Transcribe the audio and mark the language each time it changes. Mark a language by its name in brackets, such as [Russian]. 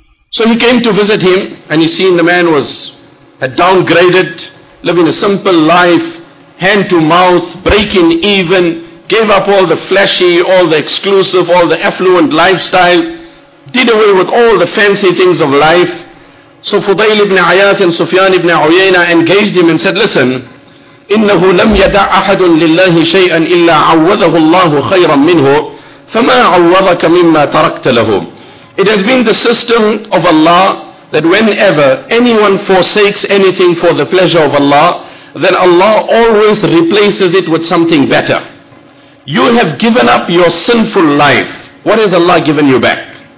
[English] So he came to visit him, and he seen the man was had downgraded, living a simple life, hand to mouth, breaking even, gave up all the flashy, all the exclusive, all the affluent lifestyle, did away with all the fancy things of life. So Fudayl ibn Ayyath and Sufyan ibn Uyayna engaged him and said, listen, [Arabic] إِنَّهُ لَمْ يَدَعْ أَحَدٌ لِلَّهِ شَيْئًا إِلَّا عَوَّذَهُ اللَّهُ خَيْرًا مِّنْهُ فَمَا عَوَّضَكَ مِمَّا تَرَكْتَ لَهُ. [English] It has been the system of Allah that whenever anyone forsakes anything for the pleasure of Allah, then Allah always replaces it with something better. You have given up your sinful life. What has Allah given you back?